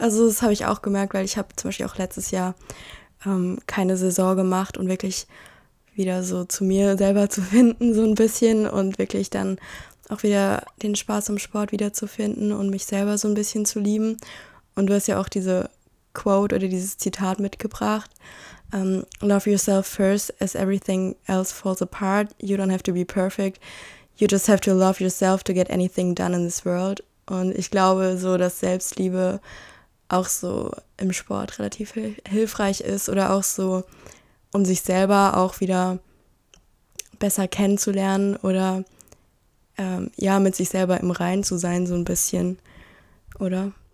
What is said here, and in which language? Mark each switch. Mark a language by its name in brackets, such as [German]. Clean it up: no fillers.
[German] Also das habe ich auch gemerkt, weil ich habe zum Beispiel auch letztes Jahr keine Saison gemacht und wirklich wieder so zu mir selber zu finden so ein bisschen und wirklich dann auch wieder den Spaß am Sport wiederzufinden und mich selber so ein bisschen zu lieben. Und du hast ja auch diese Quote oder dieses Zitat mitgebracht. [English] Love yourself first as everything else falls apart. You don't have to be perfect. You just have to love yourself to get anything done in this world. [German] Und ich glaube so, dass Selbstliebe auch so im Sport relativ hilfreich ist oder auch so, um sich selber auch wieder besser kennenzulernen oder ja, mit sich selber im Reinen zu sein, so ein bisschen, oder?